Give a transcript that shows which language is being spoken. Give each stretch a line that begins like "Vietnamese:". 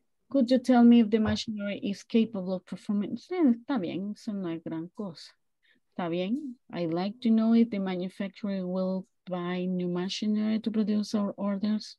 English: Could you tell me if the machinery is capable of performing?
Spanish: Sí, está bien, eso no es gran cosa. Está bien.
English: I'd like to know if the manufacturer will buy new machinery to produce our orders.